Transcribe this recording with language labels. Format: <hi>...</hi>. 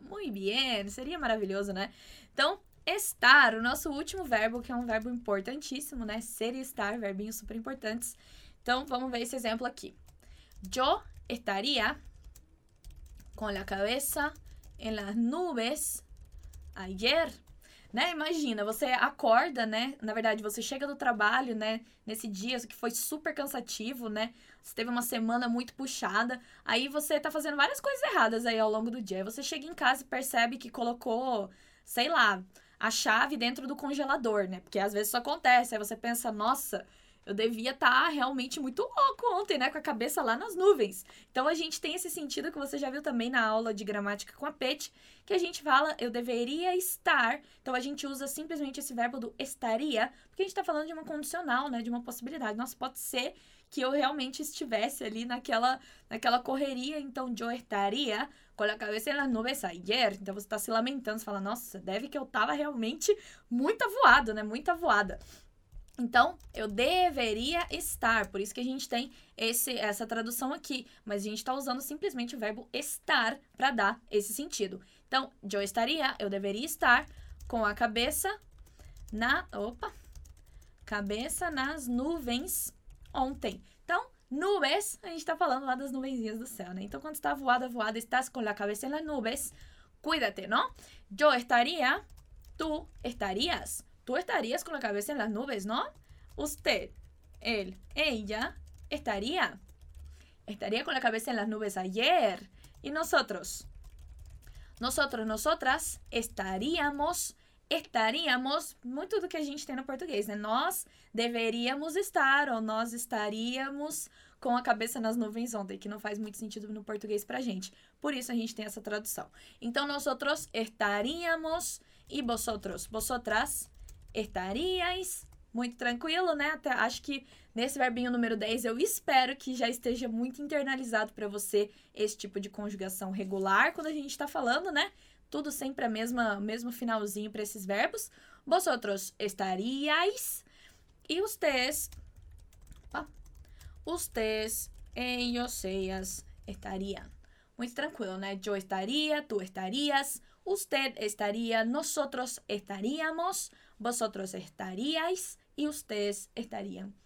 <es>Muy bien, sería maravilloso, ¿no? Entonces, estar, nuestro último verbo, que es un verbo importantísimo, ¿no? Ser y estar, verbinhos súper importantes. Entonces, vamos a ver ese ejemplo aquí. Yo estaría con la cabeza en las nubes ayer.</es> <pt>Né? Imagina, você acorda, né? Na verdade, você chega do trabalho, né? Nesse dia que foi super cansativo, né? Você teve uma semana muito puxada. Aí você tá fazendo várias coisas erradas aí ao longo do dia. Você chega em casa e percebe que colocou, sei lá, a chave dentro do congelador, né? Porque às vezes isso acontece. Aí você pensa, nossa, eu devia estar realmente muito louco ontem, né? Com a cabeça lá nas nuvens. Então, a gente tem esse sentido que você já viu também na aula de gramática com a Pet, que a gente fala, eu deveria estar. Então, a gente usa simplesmente esse verbo do estaria, porque a gente está falando de uma condicional, né? De uma possibilidade. Nossa, pode ser que eu realmente estivesse ali naquela correria.</pt> <es>Então, yo estaría con la cabeza en las nubes ayer.</es> <pt>Então, você está se lamentando, você fala, nossa, deve que eu estava realmente muito avoado, né? Muito avoada. Então, eu deveria estar, por isso que a gente tem essa tradução aqui, mas a gente está usando simplesmente o verbo estar para dar esse sentido. Então,</pt> <es>yo estaría,</es> <pt>eu deveria estar com a cabeça na, opa, cabeça nas nuvens ontem. Então, nubes, a gente está falando lá das nuvenzinhas do céu, né? Então, quando está voada, voada,</pt> <es>estás con la cabeza en las nubes, cuídate, ¿no? Yo estaría, tú estarías. Tú estarías con la cabeza en las nubes, ¿no? Usted, él, ella, estaría. Estaría con la cabeza en las nubes ayer. ¿Y nosotros? Nosotros, nosotras, estaríamos,</es> <pt>muito do que a gente tem no português, né? Nós deveríamos estar ou nós estaríamos com a cabeça nas nuvens ontem, que não faz muito sentido no português pra gente. Por isso a gente tem essa tradução. Então, nosotros estaríamos e vosotros, vosotras, estaríais, muito tranquilo, né? Até acho que nesse verbinho número 10, eu espero que já esteja muito internalizado para você esse tipo de conjugação regular quando a gente está falando, né? Tudo sempre o mesmo finalzinho para esses verbos. Vosotros estaríais e ustedes, opa, ustedes, ellos, ellas, estarían. Muito tranquilo, né?</pt> <es>Yo estaría, tú estarías, usted estaría, nosotros estaríamos, vosotros estaríais y ustedes estarían.</es>